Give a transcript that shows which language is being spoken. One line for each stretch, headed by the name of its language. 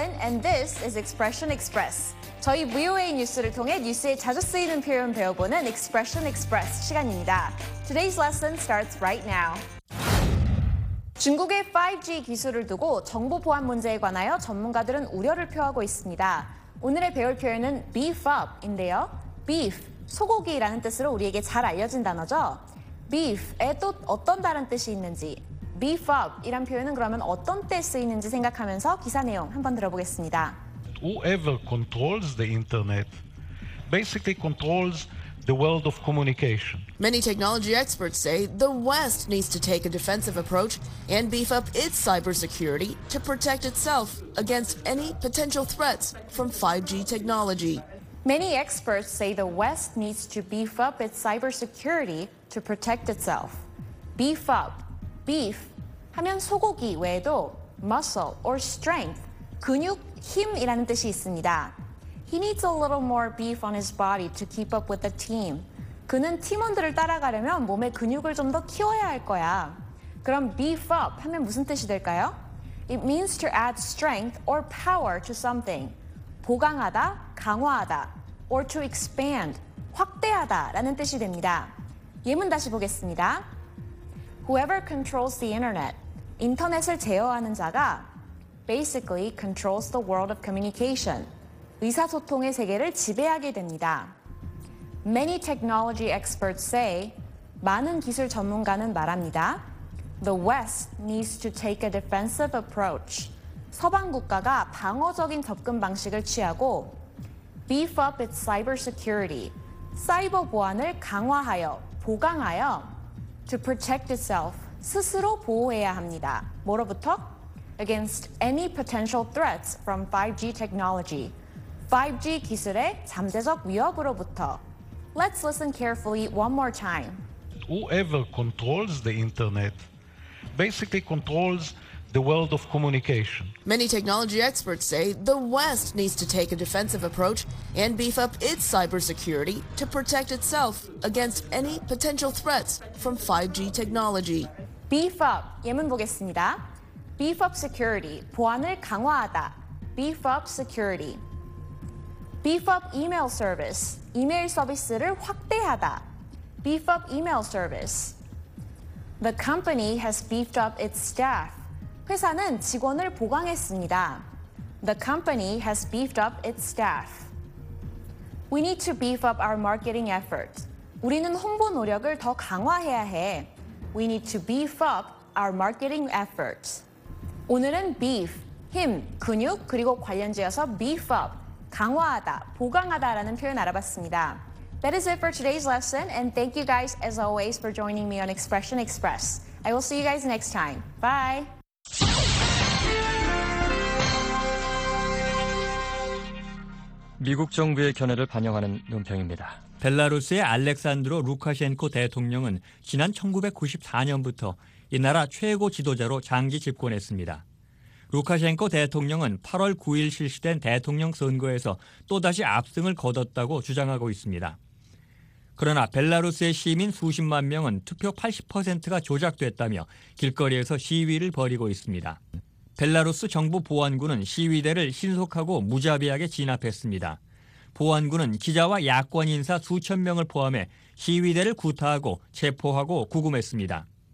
English: And this is Expression Express.
Korean: 저희 VOA 뉴스를 통해 뉴스에 자주 쓰이는 표현 배워보는 Expression Express 시간입니다.
English: Today's lesson starts right now.
Korean: 중국의 5G 기술을 두고 정보 보안 문제에 관하여 전문가들은 우려를 표하고 있습니다. 오늘의 배울 표현은 beef up인데요. beef, 소고기라는 뜻으로 우리에게 잘 알려진 단어죠. beef에 또 어떤 다른 뜻이 있는지, beef up이란 표현은 그러면 어떤 때 쓰이는지 생각하면서 기사 내용 한번 들어보겠습니다.
English: Whoever controls the internet basically controls the world of communication. Many technology experts say the West needs to take a defensive approach and beef up its cybersecurity to protect itself against any potential threats from 5G technology. Many experts say the West needs to beef up its cybersecurity to protect itself.
Korean: Beef up, beef, 하면 소고기 외에도
English: muscle or strength,
Korean: 근육, 힘이라는 뜻이 있습니다.
English: He needs a little more beef on his body to keep up with the team.
Korean: 그는 팀원들을 따라가려면 몸의 근육을 좀 더 키워야 할 거야. 그럼 beef up 하면 무슨 뜻이 될까요?
English: It means to add strength or power to something.
Korean: 보강하다, 강화하다,
English: or to expand,
Korean: 확대하다 라는 뜻이 됩니다. 예문 다시 보겠습니다.
English: Whoever controls the internet,
Korean: 인터넷을 제어하는 자가
English: basically controls the world of communication.
Korean: 의사소통의 세계를 지배하게 됩니다.
English: Many technology experts say,
Korean: 많은 기술 전문가는 말합니다.
English: The West needs to take a defensive approach.
Korean: 서방 국가가 방어적인 접근 방식을 취하고
English: beef up its cybersecurity,
Korean: 사이버 보안을 강화하여, 보강하여
English: to protect itself,
Korean: 스스로 보호해야 합니다. 뭐로부터?
English: Against any potential threats from 5G technology.
Korean: 5G 기술의 잠재적 위협으로부터.
English: Let's listen carefully one more time. Whoever controls the internet basically controls the world of communication. Many technology experts say the West needs to take a defensive approach and beef up its cybersecurity to protect itself against any potential threats from 5G technology.
Korean: Beef up, 예문 보겠습니다.
English: Beef up security,
Korean: 보안을 강화하다.
English: Beef up security. Beef up email service,
Korean: 이메일 서비스를 확대하다.
English: Beef up email service. The company has beefed up its staff.
Korean: 회사는 직원을 보강했습니다.
English: The company has beefed up its staff. We need to beef up our marketing effort.
Korean: 우리는 홍보 노력을 더 강화해야 해.
English: We need to beef up our marketing effort.
Korean: 오늘은 beef, 힘, 근육, 그리고 관련지어서 beef up, 강화하다, 보강하다라는 표현 알아봤습니다.
English: That is it for today's lesson, and thank you guys as always for joining me on Expression Express. I will see you guys next time. Bye! Russian government's opinion is reported. Belarus's Alexander Lukashenko, president, has been in power since 1994 and has been the highest Lukashenko
Korean: 대통령은 8월 9일 실시된 대통령 선거에서 또다시 압승을 거뒀다고 주장하고 있습니다. 그러나 벨라루스의 시민 수십만 명은 투표 80%가 조작됐다며 길거리에서 시위를 벌이고 있습니다. 벨라루스 정부 보안군은 시위대를 신속하고 무자비하게 진압했습니다. 보안군은 기자와 야권 인사 수천 명을 포함해 시위대를 구타하고 체포하고 구금했습니다.